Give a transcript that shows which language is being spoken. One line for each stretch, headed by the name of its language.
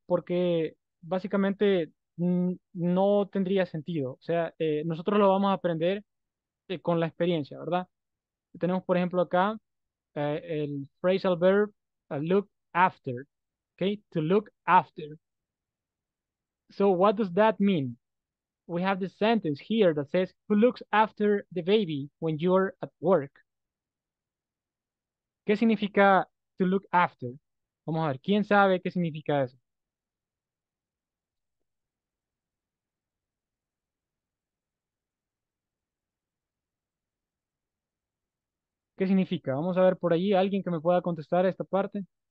Spanish: Porque básicamente no tendría sentido. O sea, nosotros lo vamos a aprender con la experiencia, ¿verdad? Tenemos, por ejemplo, acá el phrasal verb look after, ¿ok?
English: To look after. So what does that mean? We have the sentence here that says, who looks after the baby when you're at work?
Spanish: ¿Qué significa to look after? Vamos a ver, ¿quién sabe qué significa eso? ¿Qué significa? Vamos a ver por allí, alguien que me pueda contestar esta parte.